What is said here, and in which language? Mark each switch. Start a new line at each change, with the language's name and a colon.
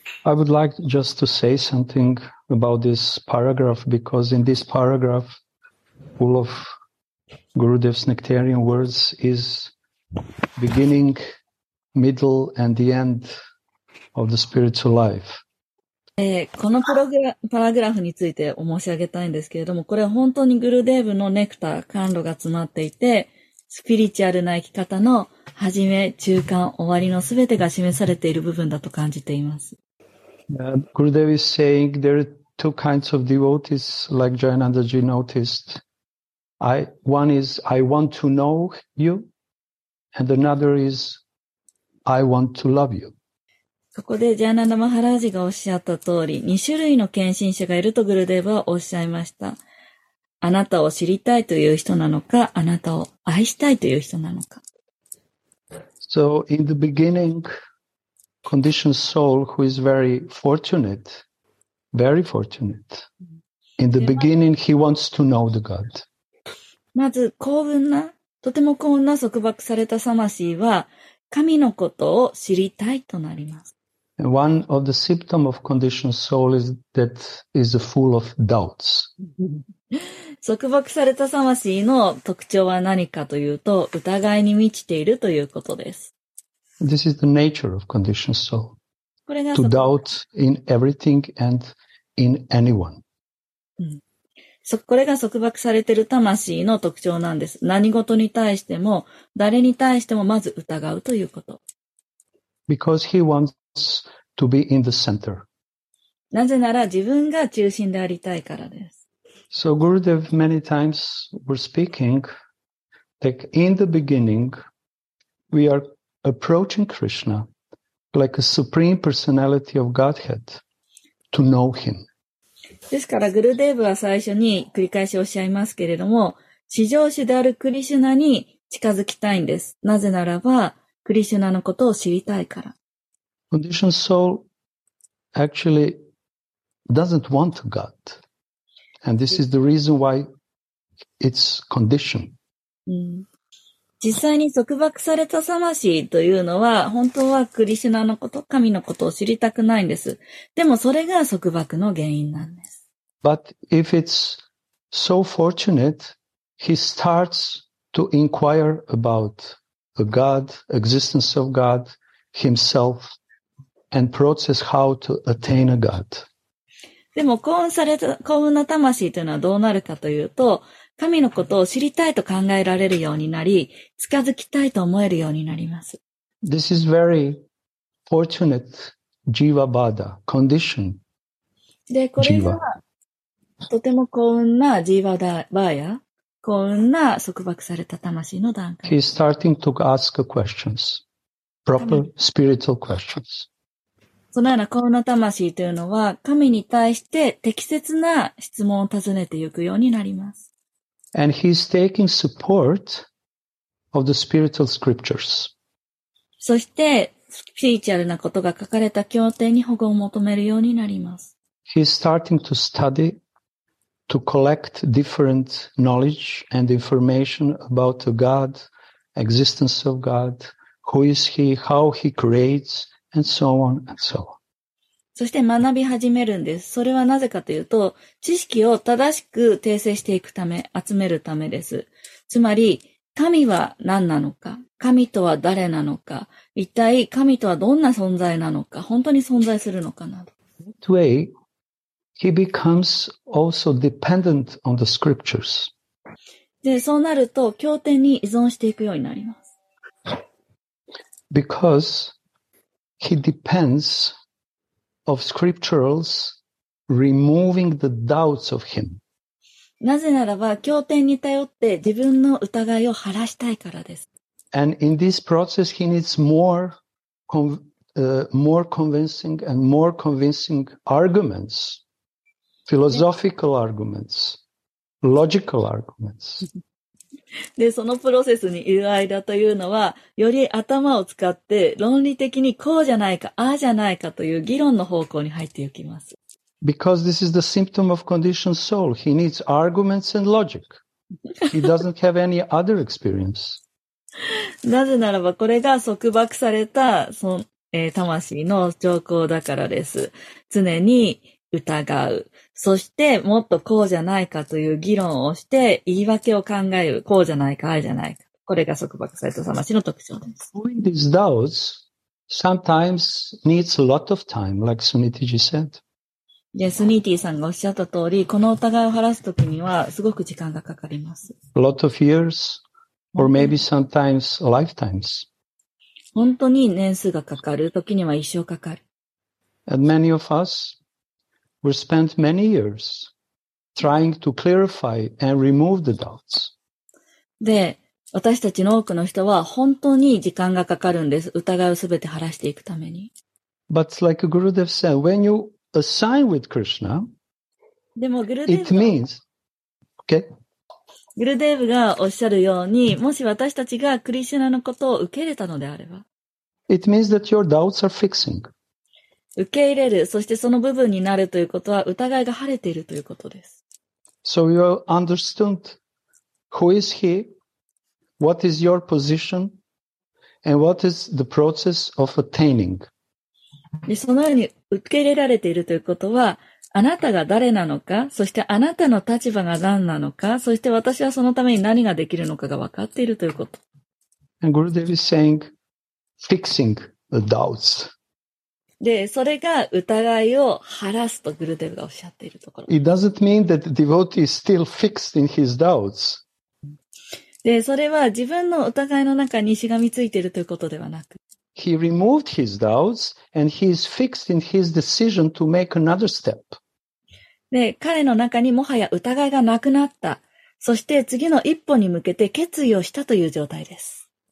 English: I would like just to say something about this paragraph, because in this paragraph, all of Gurudev's nectarian words is beginning... middle and the end of the spiritual life.
Japanese: このパラグラフについて申し上げたいんですけれども、これは本当にグルデーブのネクター、甘露が詰まっていて、スピリチュアルな生き方の始め、中間、終わりのすべてが示されている部分だと感じています。
English: グルデーブ is saying there are two kinds of devotees, like Jayananda Ji noticed. One is I want to know you, and another isI want to love you.
Japanese: ここでジャーナンダ・マハラージがおっしゃった通り、2種類の献身者がいるとグルデーブはおっしゃいました。あなたを知りたいという人なのか、あなたを愛したいという人なのか。
English: So in the beginning, conditioned soul who is very fortunate, very fortunate. In the beginning, he wants to know the God.
Japanese: まず幸運な、とても幸運な束縛された魂は、神のことを知りたいとなります。
English: One of the symptoms of conditioned soul is that is full of doubts.
Japanese: 束縛された魂の特徴は何かというと、疑いに満ちているということです。
English: This is the nature of conditioned soul.
Japanese: これが
English: to doubt in everything and in anyone.
Japanese: これが束縛されている魂の特徴なんです。何事に対しても、誰に対してもまず疑うということ。
English: Because he wants to be in the center.
Japanese: なぜなら自分が中心でありたいからです。
English: So Gurudev many times were speaking that in the beginning we are approaching Krishna like a supreme personality of Godhead to know him.
Japanese: ですから、グルデーブは最初に繰り返しおっしゃいますけれども、至上主であるクリシュナに近づきたいんです。なぜならば、クリシュナのことを知りたいから。
English: Conditioned soul actually doesn't want God. And this is the reason why it's conditioned.
Japanese: 実際に束縛された魂というのは、本当はクリシュナのこと、神のことを知りたくないんです。でもそれが束縛の原因なんです。
English: But if it's so fortunate, he starts to inquire about the God, existence of God, himself, and process how to attain a God.
Japanese: でも幸運された、幸運な魂というのはどうなるかというと、神のことを知りたいと考えられるようになり、近づきたいと思えるようになります。
English: This is very fortunate jiva bada condition.
Japanese: で、これは、とても幸運なジーバダバーヤ、幸運な束縛された魂の段階。
English: He's starting to ask questions, proper spiritual questions.
Japanese: そのような幸運な魂というのは、神に対して適切な質問を尋ねていくようになります。
English: And he's taking support of the spiritual scriptures.
Japanese: そして、スピリチュアルなことが書かれた経典に保護を求めるようになります。
English: he's starting to study, to collect different knowledge and information about the God, existence of God, who is he, how he creates, and so on and so on.
Japanese: そして学び始めるんです。それはなぜかというと、知識を正しく訂正していくため、集めるためです。つまり、神は何なのか、神とは誰なのか、一体神とはどんな存在なのか、本当に存在するのかなど。
English: That way, he becomes also dependent on the scriptures.
Japanese: で、そうなると、経典に依存していくようになります。
English: Because he depends of scripturals removing the doubts of him.
Japanese: なぜならば、経典に頼って自分の疑いを晴らしたいからです。
English: And in this process, he needs more, more convincing and more convincing arguments, philosophical arguments, logical arguments.
Japanese: で、そのプロセスにいる間というのは、より頭を使って論理的にこうじゃないか、ああじゃないかという議論の方向に入っていきます。
English: Because this is the symptom of conditioned soul. He needs arguments and logic. He doesn't have any other experience.
Japanese: なぜならば、これが束縛された魂の兆候だからです。常に疑う。そしてもっとこうじゃないかという議論をして言い訳を考える。こうじゃないか、ああじゃないか。これが束縛された魂の特徴です。
English: Doing these doubts sometimes needs a lot of time, like Sunitiji said.
Japanese: で、スニーティーさんがおっしゃった通り、この疑いを晴らすときにはすごく時間がかかります。
English: A lot of years, or maybe sometimes lifetimes.
Japanese: 本当に年数がかかる、時には一生かかる。
English: And many of us will spend many years trying to clarify and remove the doubts.
Japanese: で、私たちの多くの人は本当に時間がかかるんです。疑いをすべて晴らしていくために。
English: But like Gurudev said, when youAssign with Krishna,
Japanese: でもグルデーブ
English: it means, okay.
Japanese: グルデーブがおっしゃるように、もし私たちがクリシュナのことを受け入れたのであれば、
English: it means that your doubts are fixing.
Japanese: 受け入れる、そしてその部分になるということは、疑いが晴れているということです。
English: So you understood who is he, what is your position, and what is the process of attaining.
Japanese: でそのように受け入れられているということは、あなたが誰なのか、そしてあなたの立場が何なのか、そして私はそのために何ができるのかが分かっているということ。
English: And Gurudev is saying, fixing the doubts.
Japanese: で、それが疑いを晴らすとグルデヴがおっしゃっているところ。
English: It doesn't mean that the devotee is still fixed in his doubts.
Japanese: で、それは自分の疑いの中にしがみついているということではなく、
English: He removed his doubts and he is fixed in his decision to make another step.
Japanese: で、彼の中にもはや疑いがなくなった。そして次の一歩に向けて決意をしたという状態です。